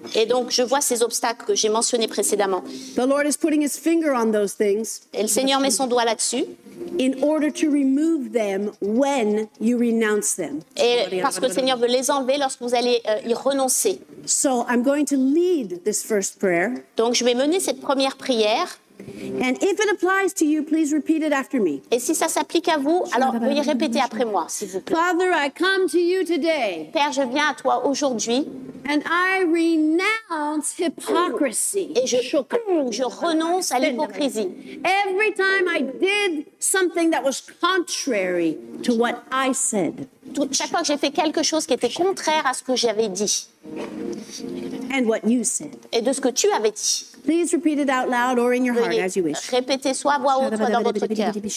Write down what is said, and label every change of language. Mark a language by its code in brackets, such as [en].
[fr] Et donc je vois ces obstacles que j'ai mentionnés précédemment. [en] The Lord is putting his finger on those things. [fr] Et le Seigneur met son doigt là-dessus. [en] In order to remove them when you renounce them. [fr] Et parce que le Seigneur veut les enlever lorsque vous allez y renoncer. [en] So I'm going to lead this first prayer. [fr] Donc je vais mener cette première prière. [en] And if it applies to you, please repeat it after me. [fr] Et si ça s'applique à vous, alors veuillez répéter après moi, s'il vous plaît. [en] Father, I come to you today. [fr] Père, je viens à toi aujourd'hui. [en] And I renounce hypocrisy. [fr] Et je renonce à l'hypocrisie. [en] Every time I did something that was contrary to what I said. [fr] Chaque fois que j'ai fait quelque chose qui était contraire à ce que j'avais dit. [en] And what you said. [fr] Et de ce que tu avais dit. [en] Please repeat it out loud or in your heart as you wish. [fr] Répétez soit à voix haute dans votre cœur.